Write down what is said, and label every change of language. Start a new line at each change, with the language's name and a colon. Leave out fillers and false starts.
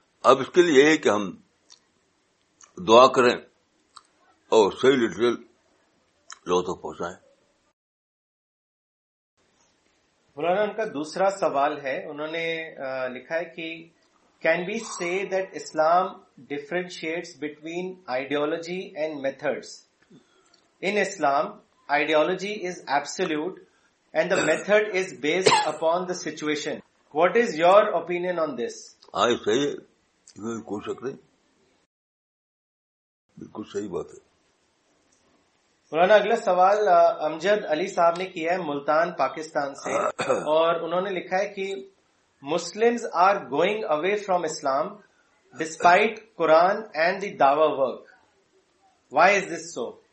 Urdu: اب اس کے لیے یہ کہ ہم دعا کریں اور صحیح لٹریل لوگوں تک پہنچائیں. مولانا ان کا دوسرا سوال ہے, انہوں نے لکھا ہے کہ
English: Can we say that Islam differentiates between ideology and methods. In Islam ideology is absolute and the method is based upon the situation. What is your opinion on this?
Urdu: بالکل شک نہیں, بالکل صحیح بات ہے. مولانا اگلا سوال امجد علی صاحب نے کیا ہے ملتان پاکستان سے, اور انہوں نے لکھا ہے کہ
English: Muslims are going away from Islam despite Quran and the دعوی work, why is this so?